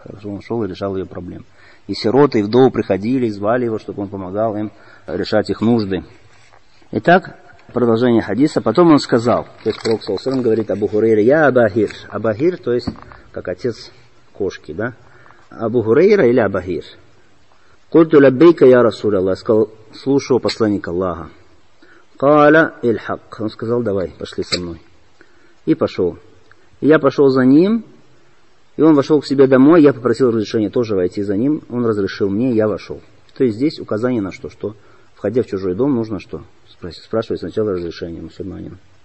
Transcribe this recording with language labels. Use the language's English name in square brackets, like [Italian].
[Russian] Хорошо, он шел и решал ее проблемы. И сироты, и вдовы приходили, и звали его, чтобы он помогал им решать их нужды. Итак, продолжение хадиса. Потом он сказал, то есть пророк саллаллаху алейхи ва саллям говорит Абу Хурейре, я Абагир. Абагир, то есть как отец кошки, да? Абу Хурейра или Абагир? [Arabic] قلت لبيك يا رسول الله [Russian] сказал слушаю посланника Аллаха. [Arabic] قال الحق [Russian] он сказал давай пошли со мной. И пошел. И я пошел за ним, И он вошел к себе домой, я попросил разрешения тоже войти за ним, он разрешил мне, я вошел. То есть здесь указание на что? Что, входя в чужой дом, нужно что? Спрашивать сначала разрешение мусульманина.